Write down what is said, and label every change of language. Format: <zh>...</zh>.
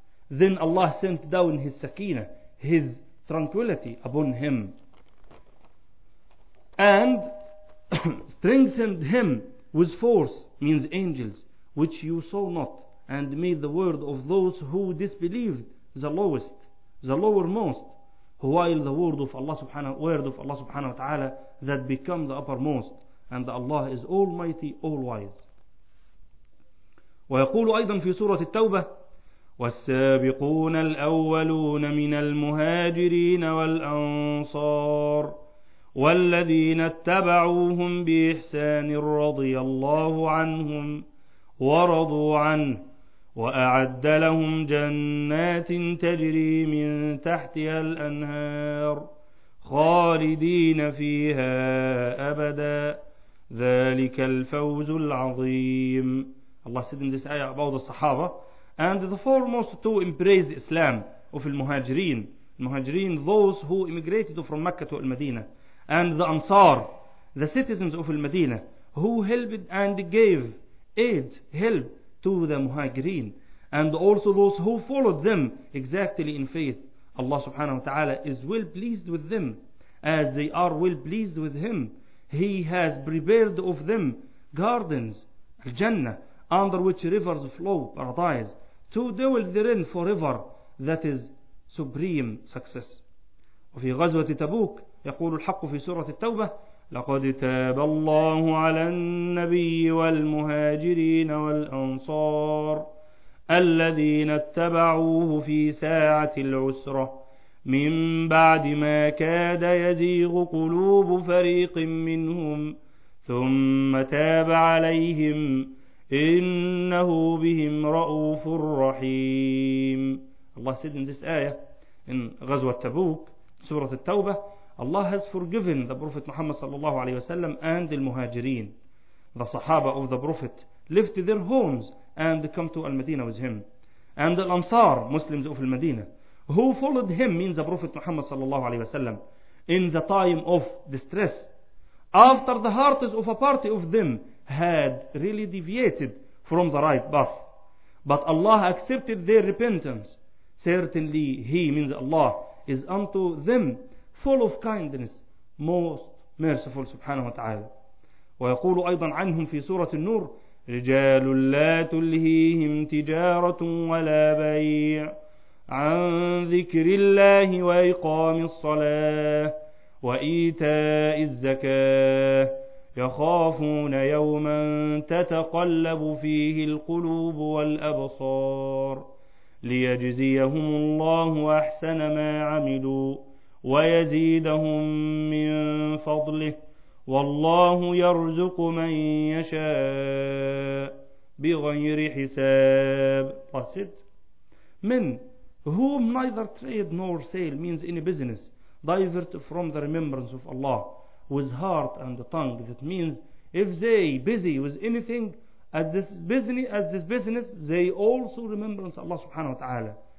<en>Then Allah sent down his sakina, his tranquility upon him, and strengthened him with force, means angels, which you saw not, and made the word of those who disbelieved the lowest, the lowermost, while the word of Allah subhanahu, word of Allah subhanahu wa ta'ala that become the uppermost, and Allah is almighty, all wise.</en> <ar>ويقول أيضا في سورة التوبة والسابقون الأولون من المهاجرين والأنصار والذين اتبعوهم بإحسان رضي الله عنهم ورضوا عنه وأعد لهم جنات تجري من تحتها الأنهار خالدين فيها أبدا ذلك الفوز العظيم.</ar> <en>Allah said in this ayah about the Sahaba, and the foremost to embrace Islam of al-Muhajirin, Muhajirin, those who immigrated from Mecca to al-Madinah, and the Ansar, the citizens of al-Madinah, who helped and gave aid, help to the Muhajirin, and also those who followed them exactly in faith. Allah subhanahu wa ta'ala is well pleased with them, as they are well pleased with Him. He has prepared of them gardens, al-Jannah, under which rivers flow, paradise, to dwell therein forever, that is supreme success.</en> <ar>وفي غزوة تبوك يقول الحق في سورة التوبة لقد تاب الله على النبي والمهاجرين والأنصار الذين اتبعوه في ساعة العسرة من بعد ما كاد يزيغ قلوب فريق منهم ثم تاب عليهم إنه بهم رؤوف رحيم.</ar> <en>Allah said in this ayah in غزوة تبوك Surah At-Tawbah, Allah has forgiven the Prophet Muhammad sallallahu alayhi wasallam and the Muhajirin, the Sahaba of the Prophet, left their homes and come to Al-Madinah with him, and the Ansar, Muslims of Al-Madinah, who followed him, means the Prophet Muhammad sallallahu alayhi wasallam, in the time of distress, after the hearts of a party of them had really deviated from the right path, but Allah accepted their repentance. Certainly He, means Allah, is unto them full of kindness, most merciful subhanahu wa ta'ala.</en> <ar>ويقول أيضا عنهم في سورة النور رجال لا تلهيهم تجارة ولا بيع عن ذكر الله وإقام الصلاة وإيتاء الزكاة يخافون يوما تتقلب فيه القلوب والأبصار ليجزيهم الله أحسن ما عملوا ويزيدهم من فضله والله يرزق من يشاء بغير حساب. قصد من</ar> <en>whom neither trade nor sale, means any business, divert from the remembrance of Allah with heart and tongue. That means if they busy with anything as this business, they also remembrance Allah subhanahu wa ta'ala.</en>